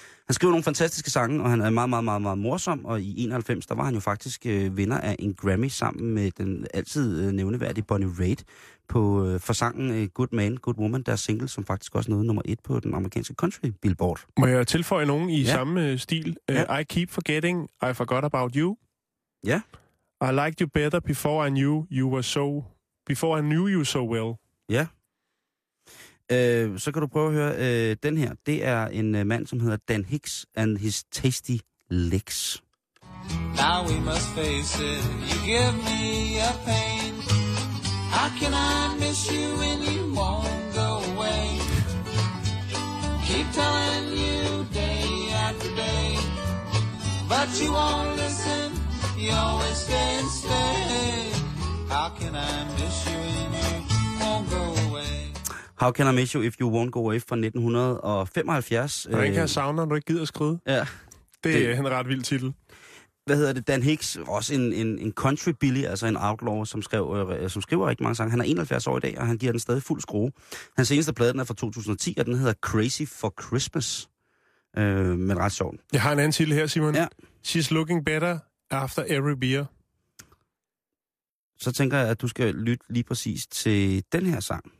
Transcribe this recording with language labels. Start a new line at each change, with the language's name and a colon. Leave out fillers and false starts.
Danish: Han skriver nogle fantastiske sange, og han er meget, meget, meget, meget morsom. Og i 91, der var han jo faktisk vinder af en Grammy sammen med den altid nævneværdige Bonnie Raitt på for sangen Good Man, Good Woman, der er single, som faktisk også nåede nummer 1 på den amerikanske country billboard. Må jeg tilføje nogen i samme stil? Ja.
English: I keep forgetting, I forgot about you.
Danish: Ja.
English: I liked you better before I knew you were so... Before I knew you so well.
Danish: Ja. Så kan du prøve at høre den her. Det er en mand, som hedder Dan Hicks and his tasty licks.
English: Now we must face it, you give me a pain. How can I miss you when you won't go away? keep telling you day after day, but you won't listen, you always stay and stay. How can I miss you when you won't go away? How can I miss you if you won't go away
Danish: fra 1975? Når ikke jeg savner, når du ikke gider at skrive. Ja. Det er en ret vild titel. Hvad hedder det? Dan Hicks, også en country billy, altså en outlaw, som skriver rigtig mange sange. Han er 71 år i dag, og han giver den stadig fuld skrue. Hans eneste plade, den er fra 2010, og den hedder Crazy for Christmas. Men ret sjovt. Jeg har en anden titel her, Simon. Ja.
English: She's looking better after every beer.
Danish: Så tænker jeg, at du skal lytte lige præcis til den her sang.